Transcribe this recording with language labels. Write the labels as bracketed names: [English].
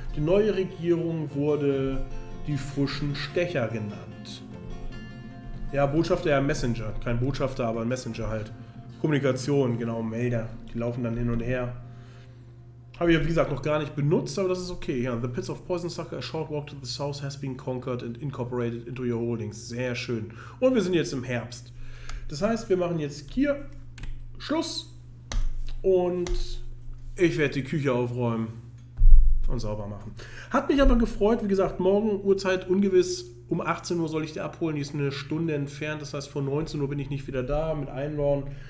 [German] Die neue Regierung wurde die frischen Stecher genannt. Ja, Botschafter, ja, Messenger. Kein Botschafter, aber ein Messenger halt. Kommunikation, genau, Melder. Die laufen dann hin und her. Habe ich, wie gesagt, noch gar nicht benutzt, aber das ist okay. [English] Ja, the Pits of Poison Sucker, a short walk to the south has been conquered and incorporated into your holdings. [German] Sehr schön. Und wir sind jetzt im Herbst. Das heißt, wir machen jetzt hier Schluss. Und ich werde die Küche aufräumen und sauber machen. Hat mich aber gefreut, wie gesagt, morgen Uhrzeit ungewiss. Um 18 Uhr soll ich die abholen, die ist eine Stunde entfernt, das heißt vor 19 Uhr bin ich nicht wieder da mit Einbauen.